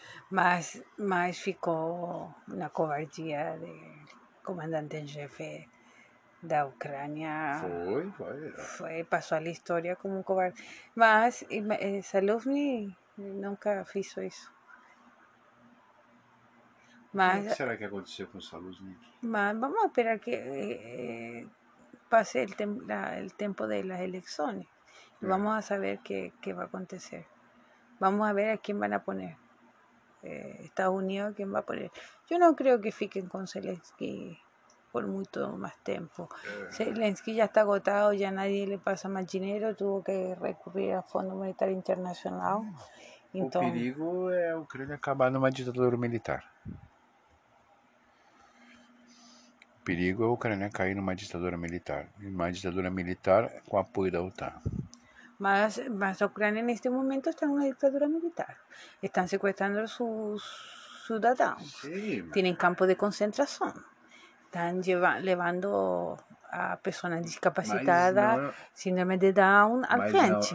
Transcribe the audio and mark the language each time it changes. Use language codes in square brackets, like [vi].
[pt] Mas ficou na covardia do comandante em chefe da Ucrânia. Foi. Passou a história como um covarde. Mas Zelensky nunca fez isso. Mas, o que será que aconteceu com Zelensky? Mas vamos esperar que... [es] pase el tiempo de las elecciones y vamos a saber qué va a acontecer. Vamos a ver a quién van a poner. Estados Unidos, ¿quién va a poner? Yo no creo que fiquen con Zelensky por mucho más tiempo. Zelensky ya está agotado, ya nadie le pasa más dinero, tuvo que recurrir al Fondo Monetario Internacional. Entonces, el peligro es Ucrania acabar en una dictadura militar. [pt] O perigo é a Ucrânia cair numa ditadura militar. Uma ditadura militar com apoio da OTAN. Mas a Ucrânia, neste momento, está numa ditadura militar. Estão sequestrando os cidadãos. Sim. Têm campo de concentração. Estão levando a pessoas discapacitadas, síndrome de Down, à frente.